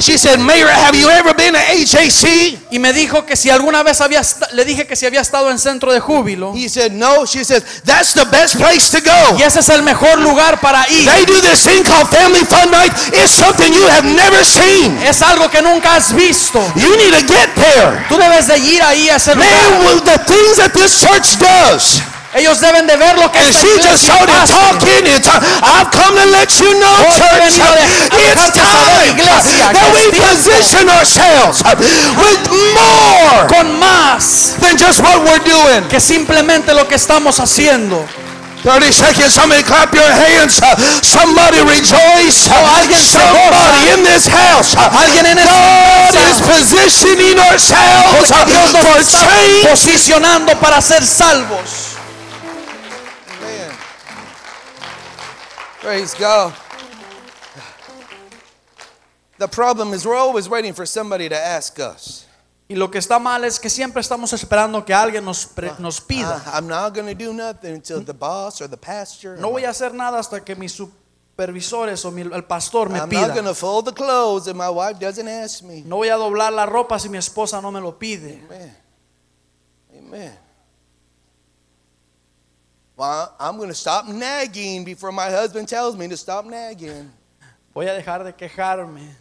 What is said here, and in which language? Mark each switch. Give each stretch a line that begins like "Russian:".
English: She said, "Mayor, have you ever been to HAC?"
Spanish: Y me dijo que si alguna vez había le dije que si había estado en Centro de Júbilo.
English: He said, "No." She said, "That's the best place to go."
Spanish: Y ese es el mejor lugar para ir.
English: They do this thing called Family Fun Night. It's something you have never seen.
Spanish: Es algo que nunca has visto.
English: You need to get there.
Spanish: Tú debes de ir ahí a ese lugar.
English: Man, well, the things that this church does.
Spanish: Ellos deben de ver lo que
English: and she just started pastor. Talking and I've come to let you know
Spanish: Hoy
English: church it's time that we position ourselves with more
Spanish: con más
English: than just what we're doing
Spanish: que simplemente lo que estamos haciendo.
English: 30 seconds, somebody clap your hands, somebody rejoice, somebody in this house, God is positioning ourselves for change,
Spanish: posicionando para ser salvos.
English: Praise God. The problem is we're always waiting for somebody to ask us.
Spanish: Y lo que está mal es que siempre estamos esperando que alguien nos pida.
English: I'm not going to do nothing until the boss or the pastor.
Spanish: No voy a hacer nada hasta que mis supervisores o el pastor me pida.
English: I'm not going to fold the clothes if my wife doesn't ask me.
Spanish: No voy a doblar la ropa si mi esposa no me lo pide.
English: Amen. Amen. Well, I'm going to stop nagging before my husband tells me to stop nagging.
Spanish: Voy a dejar de quejarme.